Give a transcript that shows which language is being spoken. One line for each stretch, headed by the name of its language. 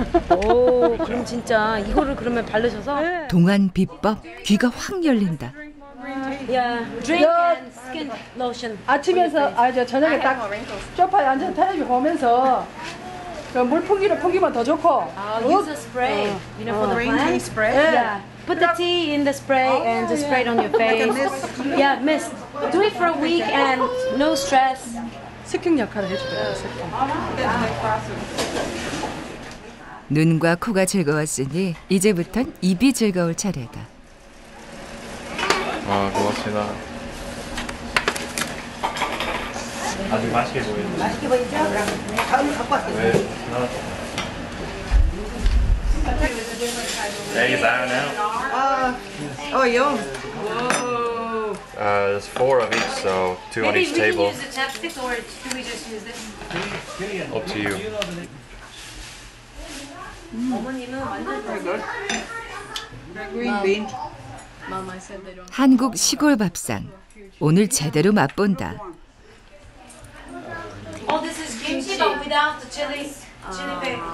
Korean: 오, 그럼 진짜 이거를 그러면 바르셔서? 동안 비법 귀가 확 열린다.
English: Yeah, drink and skin lotion.
Korean: 아침에서 아저 저녁에 딱 쇼파에 앉아서 텔레비 보면서 그 물풍기로 풍기면 더 좋고.
English: Use a spray, you know, for the green tea spray. Yeah, put the tea in the spray and just spray it on your face. Yeah, mist. Do it for a week and no stress.
Korean: 스킨 역할을 해줄게요. 눈과 코가 즐거웠으니 이제부턴 입이 즐거울 차례다. 아, 고맙습니다. 아주 맛있게 보이네요. 맛있게 보이죠? 다음 갖고 왔겠습니다.
English: There you go now. Oh, yum. Whoa. There's four of each, so two Maybe on each table. Maybe we can use a chapstick, or can we just use this? Up to you.
Korean: 어머님은 완전
English: good. Green bean.
Korean: 한국 시골 밥상 오늘 제대로 맛본다.
English: Oh, this is kimchi but without the chilies, chili pepper.